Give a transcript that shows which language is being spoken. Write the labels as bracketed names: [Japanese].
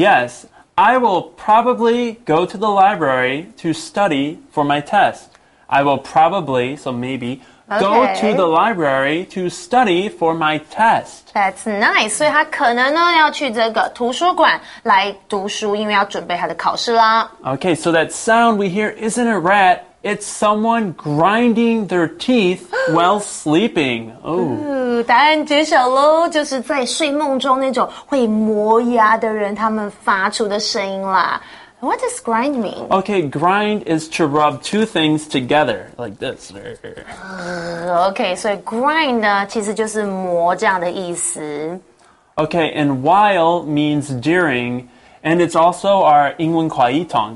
[English] Yes, I will probably go to the library to study for my test. I will probably, so maybe, go to the library to study for my test. That's nice. [Chinese] 所以它可能呢要去这个图书馆来读书因为要准备它的考试啦 [English] Okay, so that sound we hear isn't a rat. It's someone grinding their teeth while sleeping. [Chinese] Ooh, 答案揭晓咯就是在睡梦中那种会磨牙的人他们发出的声音啦。 [English] What does grind mean? Okay, grind is to rub two things together, like this. Okay, so grind [Chinese] 呢其实就是磨这样的意思。 [English] Okay, and while means during, And it's also our 英文快译通.